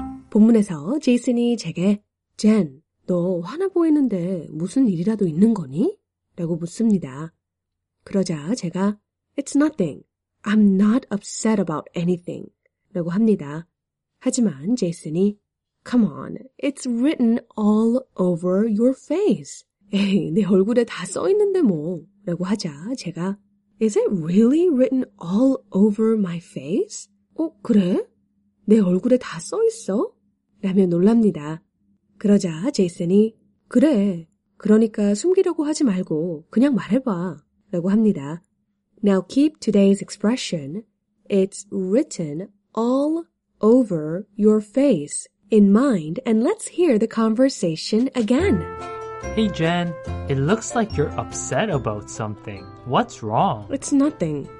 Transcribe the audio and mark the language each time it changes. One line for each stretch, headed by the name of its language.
Korean: 본문에서 제이슨이 제게 젠, 너 화나 보이는데 무슨 일이라도 있는 거니? 라고 묻습니다. 그러자 제가
English: It's nothing. I'm not upset about anything.
Korean: 라고 합니다. 하지만 제이슨이
English: Come on, it's written all over your face.
Korean: 에이, 내 얼굴에 다 써 있는데 뭐. 라고 하자 제가
English: Is it really written all over my face?
Korean: 어, 그래? 내 얼굴에 다 써 있어? 라며 놀랍니다. 그러자 제이슨이 그래, 그러니까 숨기려고 하지 말고 그냥 말해봐 라고 합니다.
English: Now keep today's expression, it's written all over your face in mind and let's hear the conversation again. Hey Jen, it looks like you're upset about something. What's wrong? It's nothing.